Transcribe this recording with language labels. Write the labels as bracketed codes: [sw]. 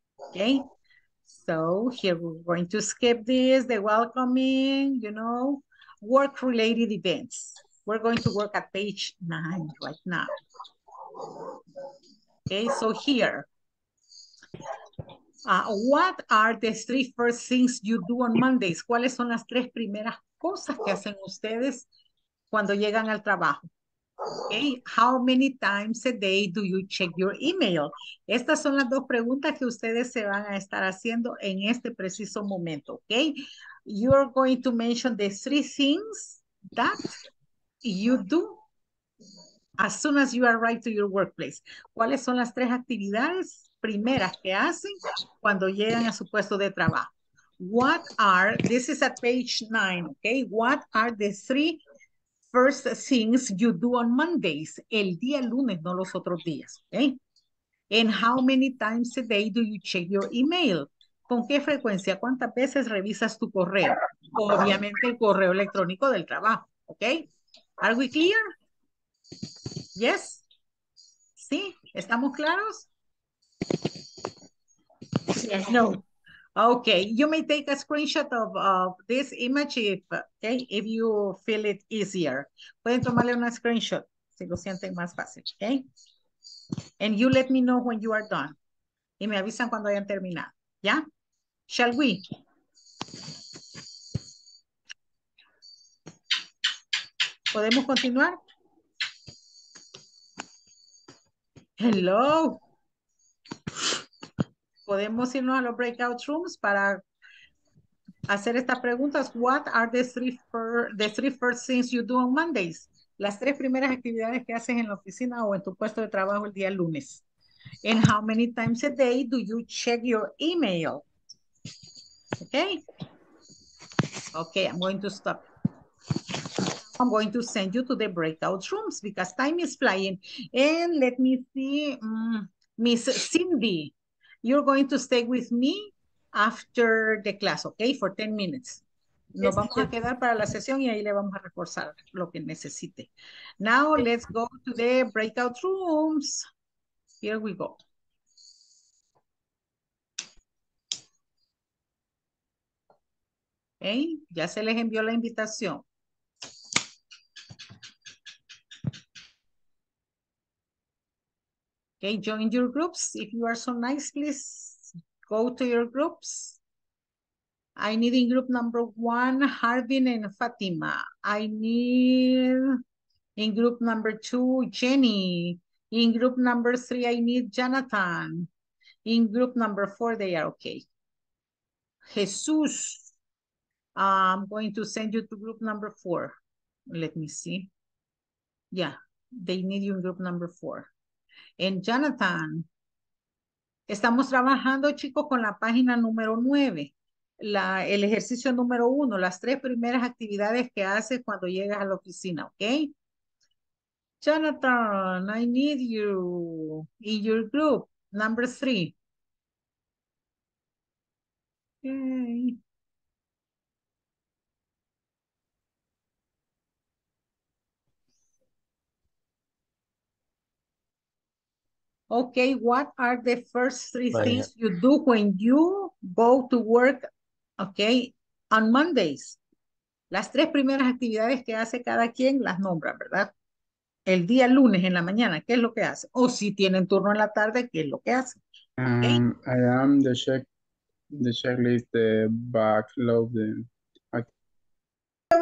[en] Okay, so here we're going to skip this, the welcoming, you know, work-related events. We're going to work at page 9 right now. Okay, so here, what are the three first things you do on Mondays? [es] ¿Cuáles son las tres primeras cosas que hacen ustedes cuando llegan al trabajo? [en] Okay. How many times a day do you check your email? [es] Estas son las dos preguntas que ustedes se van a estar haciendo en este preciso momento. [en] Okay. You're going to mention the three things that you do as soon as you arrive to your workplace. [es] ¿Cuáles son las tres actividades primeras que hacen cuando llegan a su puesto de trabajo? [en] What are, this is at page 9, okay? What are the three first things you do on Mondays? [es] El día lunes, no los otros días, okay? [en] And how many times a day do you check your email? [es] ¿Con qué frecuencia? ¿Cuántas veces revisas tu correo? Obviamente el correo electrónico del trabajo, okay? [en] Are we clear? Yes. [es] Sí, ¿estamos claros? [en] Yes, no. Okay, you may take a screenshot of this image if you feel it easier. [es] Pueden tomarle una screenshot si lo sienten más fácil, okay? [en] And you let me know when you are done. [es] Y me avisan cuando hayan terminado, ¿ya? [en] Shall we? [es] ¿Podemos continuar? [en] Hello. [es] ¿Podemos irnos a los breakout rooms para hacer estas preguntas? [en] What are the three first things you do on Mondays? [es] Las tres primeras actividades que haces en la oficina o en tu puesto de trabajo el día lunes. [en] And how many times a day do you check your email? Okay. Okay, I'm going to stop. I'm going to send you to the breakout rooms because time is flying. And let me see, Miss Cindy, you're going to stay with me after the class, okay, for 10 minutes. [es] Nos vamos a quedar para la sesión y ahí le vamos a reforzar lo que necesite. [en] Now let's go to the breakout rooms. Here we go. [es] Okay, ya se les envió la invitación. [en] Okay, join your groups. If you are so nice, please go to your groups. I need in group number one, Harbin and Fatima. I need in group number two, Jenny. In group number three, I need Jonathan. In group number four, they are okay. Jesus, I'm going to send you to group number four. Let me see. Yeah, they need you in group number four. [es] En Jonathan, estamos trabajando, chicos, con la página número 9, el ejercicio número 1, las tres primeras actividades que haces cuando llegas a la oficina, ¿ok? [en] Jonathan, I need you in your group, number 3. Okay, what are the first three things you do when you go to work, okay, on Mondays? [es] Las tres primeras actividades que hace cada quien las nombra, ¿verdad? El día lunes en la mañana, ¿qué es lo que hace? O si tienen turno en la tarde, ¿qué es lo que hace? [en] Okay. I am the checklist, the backlog. [es] Por lo